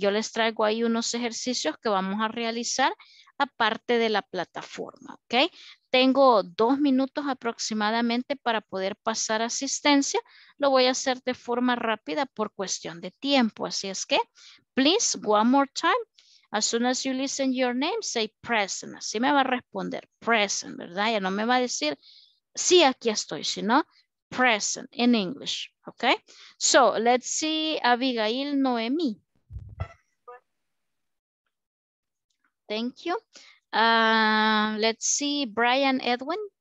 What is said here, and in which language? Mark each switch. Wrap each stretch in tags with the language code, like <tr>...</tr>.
<es>Yo les traigo ahí unos ejercicios que vamos a realizar aparte de la plataforma, ¿ok? Tengo 2 minutos aproximadamente para poder pasar asistencia. Lo voy a hacer de forma rápida por cuestión de tiempo. Así es que,</es> <en>please, one more time. As soon as you listen your name, say present.</en> <es>Así me va a responder, present, ¿verdad? Ya no me va a decir, sí, aquí estoy, sino present in English, ¿ok?</es> <en>So, let's see Abigail Noemi. Thank you. Let's see Brian Edwin.</en>